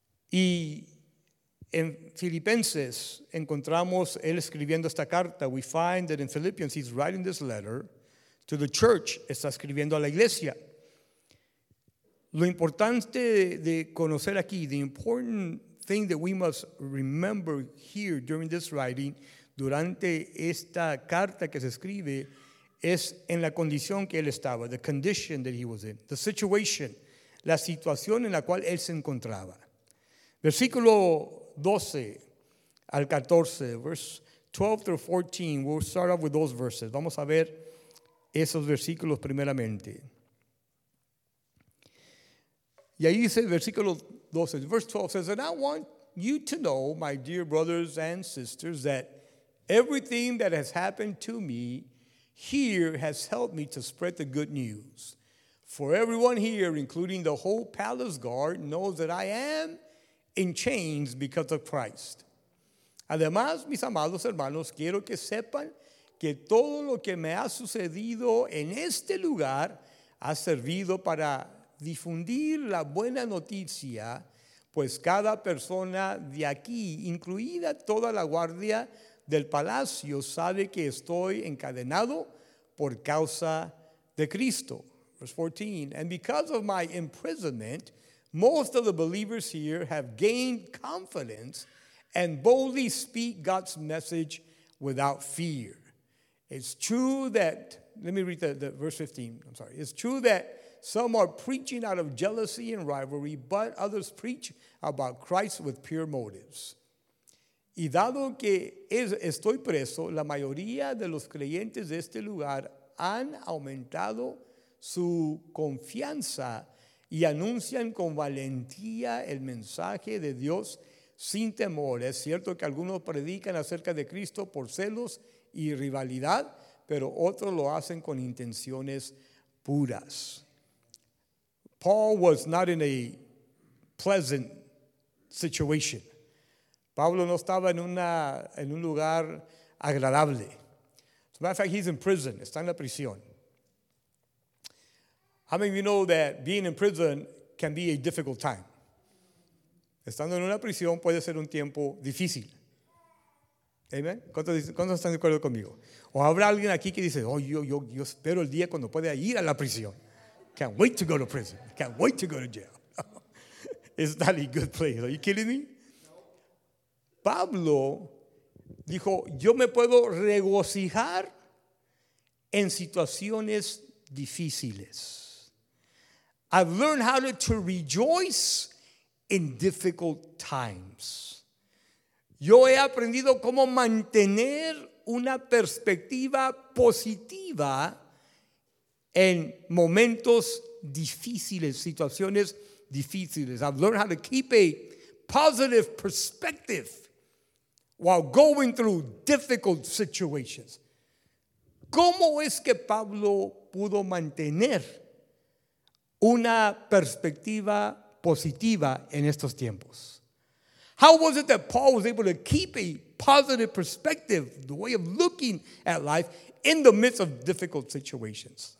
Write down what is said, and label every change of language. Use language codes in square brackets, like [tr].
[es] Y en Filipenses encontramos él escribiendo esta carta. [en] We find that in Philippians he's writing this letter to the church. [es] Está escribiendo a la iglesia. Lo importante de conocer aquí, [en] the important thing that we must remember here during this writing, [es] durante esta carta que se escribe, es en la condición que él estaba, [en] the condition that he was in, the situation, [es] la situación en la cual él se encontraba. Versículo 12 al 14, [en] verse 12 through 14, we'll start off with those verses. [es] Vamos a ver esos versículos primeramente. Y ahí dice el versículo 12, [en] verse 12 says, and I want you to know, my dear brothers and sisters, that everything that has happened to me here has helped me to spread the good news. For everyone here, including the whole palace guard, knows that I am in chains because of Christ. [es] Además, mis amados hermanos, quiero que sepan que todo lo que me ha sucedido en este lugar ha servido para difundir la buena noticia, pues cada persona de aquí, incluida toda la guardia del palacio, sabe que estoy encadenado por causa de Cristo. [en] Verse 14, and because of my imprisonment, most of the believers here have gained confidence and boldly speak God's message without fear. It's true that, let me read the verse 15, I'm sorry. It's true that some are preaching out of jealousy and rivalry, but others preach about Christ with pure motives. [es] Y dado que estoy preso, la mayoría de los creyentes de este lugar han aumentado su confianza y anuncian con valentía el mensaje de Dios sin temor. Es cierto que algunos predican acerca de Cristo por celos y rivalidad, pero otros lo hacen con intenciones puras. [en] Paul was not in a pleasant situation. [es] Pablo no estaba en un lugar agradable. [en] As a matter of fact, he's in prison. [es] Está en la prisión. [en] How many of you know that being in prison can be a difficult time? [es] Estando en una prisión puede ser un tiempo difícil. Amen. ¿Cuántos están de acuerdo conmigo? O habrá alguien aquí que dice, oh, yo espero el día cuando pueda ir a la prisión. [en] Can't wait to go to prison. Can't wait to go to jail. It's not a good place. Are you kidding me? [es] Pablo dijo, yo me puedo regocijar en situaciones difíciles. [en] I've learned how to rejoice in difficult times. [es] Yo he aprendido cómo mantener una perspectiva positiva en momentos difíciles, situaciones difíciles. [en] I've learned how to keep a positive perspective while going through difficult situations. [es] ¿Cómo es que Pablo pudo mantener una perspectiva positiva en estos tiempos? [en] How was it that Paul was able to keep a positive perspective, the way of looking at life, in the midst of difficult situations?